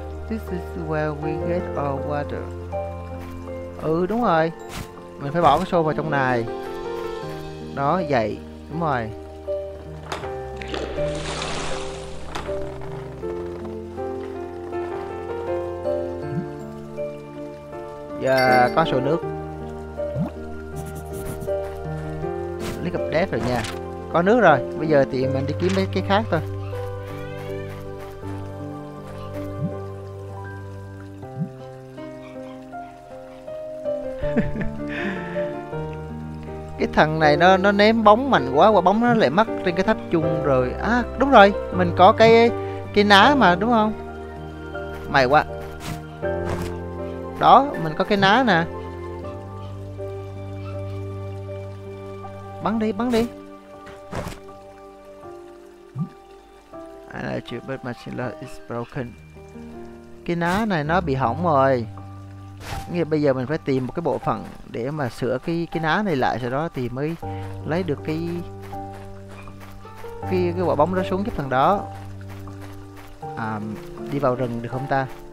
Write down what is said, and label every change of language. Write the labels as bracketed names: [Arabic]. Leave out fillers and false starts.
[English] This is where we get our water. [Vietnamese] Ừ đúng rồi, mình phải bỏ cái xô vào trong này. Đó, vậy. Đúng rồi. Giờ có xô nước. Lấy cặp đét rồi nha. Có nước rồi, bây giờ thì mình đi kiếm mấy cái khác thôi. Cái thằng này nó ném bóng mạnh quá, quả bóng nó lại mắc trên cái tháp chung rồi. À đúng rồi, mình có cái ná mà đúng không? May quá. Đó, mình có cái ná nè. Bắn đi, bắn đi. [English] I like you, but my love is broken. [Vietnamese] Cái ná này nó bị hỏng rồi. Nghĩa bây giờ mình phải tìm một cái bộ phận để mà sửa cái ná này lại, sau đó thì mới lấy được cái quả bóng đó xuống giúp thằng đó. À, đi vào rừng được không ta?